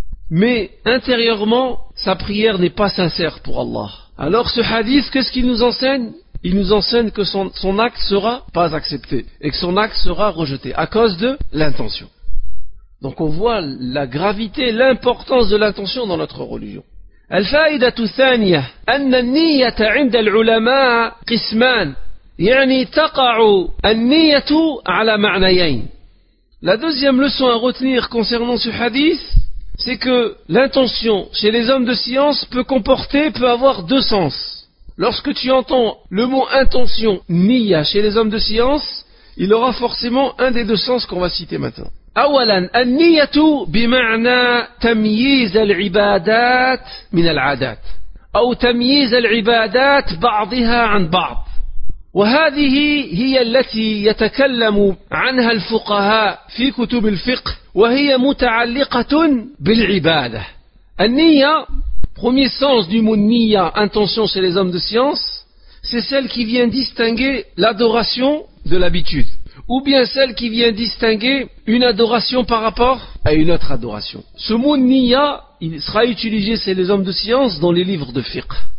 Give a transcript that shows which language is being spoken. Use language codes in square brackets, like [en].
[fr] Mais intérieurement, sa prière n'est pas sincère pour Allah. Alors ce hadith, qu'est-ce qu'il nous enseigne? Il nous enseigne que son acte sera pas accepté et que son acte sera rejeté à cause de l'intention. Donc on voit la gravité, l'importance de l'intention dans notre religion. [ar] الفائدة الثانية أن النية عند العلماء قسمان يعني تقع النية على معنيين. [fr] La deuxième leçon à retenir concernant ce hadith, c'est que l'intention chez les hommes de science peut avoir deux sens. Lorsque tu entends le mot intention, niya, chez les hommes de science, il aura forcément un des deux sens qu'on va citer maintenant. [ar] أولا النية بمعنى تمييز العبادات من العادات أو تمييز العبادات بعضها عن بعض وهذه هي التي يتكلم عنها الفقهاء في كتب الفقه وهي متعلقة بالعبادة [fr] النية premier sens du mot niya intention chez les hommes de science c'est celle qui vient distinguer l'adoration de l'habitude ou bien celle qui vient distinguer une adoration par rapport à une autre adoration. Ce mot niya, il sera utilisé chez les hommes de science dans les livres de fiqh.